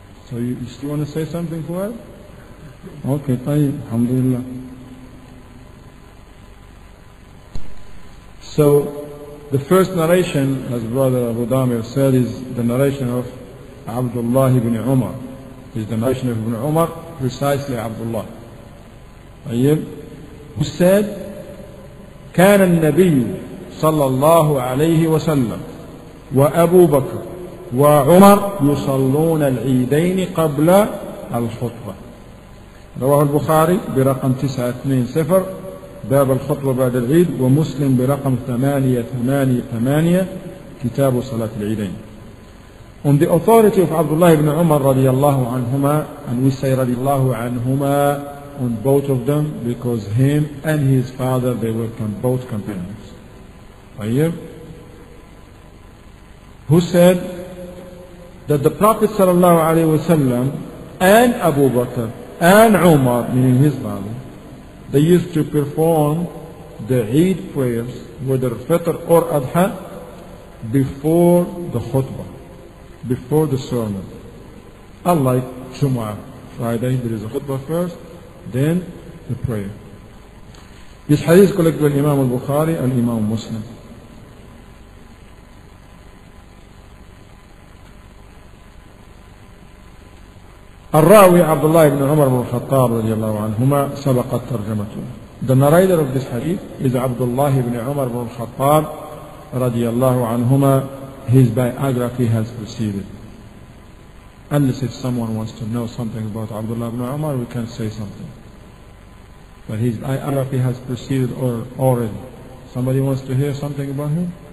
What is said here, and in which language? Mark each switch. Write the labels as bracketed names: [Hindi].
[English] So you still want to say something for us? Okay, tayyib, alhamdulillah. So, the first narration, as Brother Abu Damir said, is the narration of Abdullah ibn Umar. Is the narration of Ibn Umar, precisely Abdullah. Ayyib, who said, [Arabic] كان النبي صلى الله عليه وسلم وأبو بكر وعمر يصلون العيدين قبل الخطبة. رواه البخاري برقم 920 باب الخطبة بعد العيد ومسلم برقم 888 كتاب صلاة العيدين. [English] On the authority of Abdullah ibn Umar radiallahu anhuma, and we say radiallahu anhuma on both of them because him and his father, they were both companions. [Arabic] طيب. [English] Who said that the Prophet sallallahu alayhi wasallam and Abu Bakr and Umar, meaning his father, they used to perform the Eid prayers, whether Fitr or Adha, before the khutbah, before the sermon. Unlike Jumu'ah, Friday, there is a khutbah first, then the prayer. This hadith collected by Imam al-Bukhari and Imam Muslim. [Arabic] الراوي عبد الله بن عمر بن الخطاب رضي الله عنهما سبقت ترجمته. [English] The narrator of this hadith is Abdullah ibn Umar ibn al-Khattab [Arabic] رضي الله عنهما. [English] His biography has proceeded. Unless if someone wants to know something about Abdullah ibn Umar, we can say something. But his biography has proceeded already. Somebody wants to hear something about him?